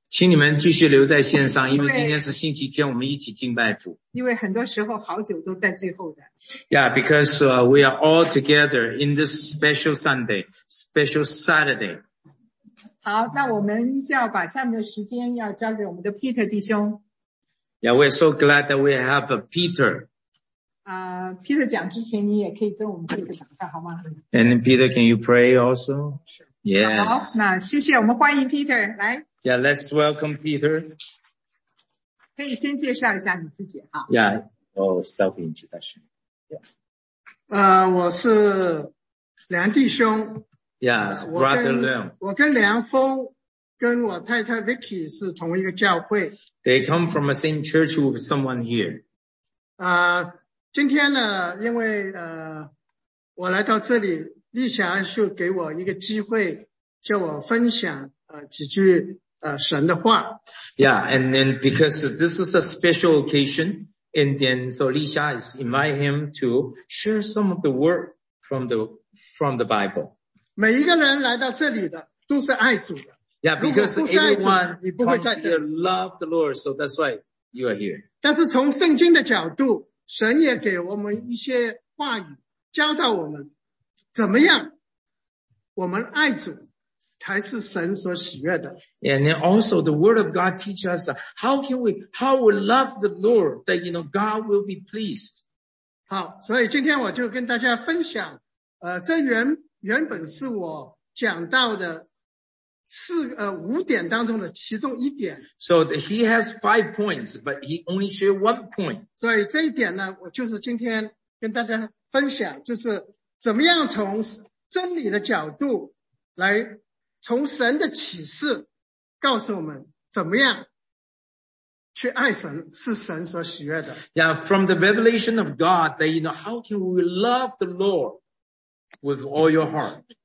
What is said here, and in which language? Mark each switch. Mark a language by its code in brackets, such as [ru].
[zh] 请你们继续留在线上，因为今天是星期天，我们一起敬拜主。因为很多时候好酒都在最后的。 [en] Yeah， because we are all together in this special Sunday， special Saturday。 [zh] 好，那我们就要把下面的时间要交给我们的 Peter 弟兄。 [en] Yeah, we're so glad that we have a Peter. [zh] Peter 讲之前你也可以跟我们做一个祷告好吗？ [en] And Peter, can you pray also? Yes. [zh] 好，那谢谢，我们欢迎 Peter, 来。 [en] Yeah, let's welcome Peter. [zh] 可以先介绍一下你自己啊。 [en] Yeah, oh, self-introduction. [zh] Yeah. 我是梁弟兄。 [en] Yeah, Brother Leung. [zh] 我跟梁峰。跟我太太 Vicky 是同一个教会。 [en] They come from the same church with someone here. [zh] 今天呢，因为我来到这里，丽霞就给我一个机会，叫我分享几句神的话。 [en] Yeah, and then because this is a special occasion, and then so Lisa is invite him to share some of the word from the Bible. [zh] 每一个人来到这里的都是爱主的。 [en] Yeah, because everyone comes here love the Lord, so that's why you are here. [zh] 但是从圣经的角度，神也给我们一些话语，教导我们怎么样，我们爱主才是神所喜悦的。 [en] And then also the Word of God teaches us how we love the Lord that you know God will be pleased. [zh] 好，所以今天我就跟大家分享，这原本是我讲到的。五点当中的其中一点。 [en] So he has 5 points, but he only share 1 point. [zh] 所以这一点呢，我就是今天跟大家分享，就是怎么样从真理的角度来，从神的启示告诉我们怎么样去爱神，是神所喜悦的。 [en] Yeah, from the revelation of God, that you know, how can we love the Lord with all your heart?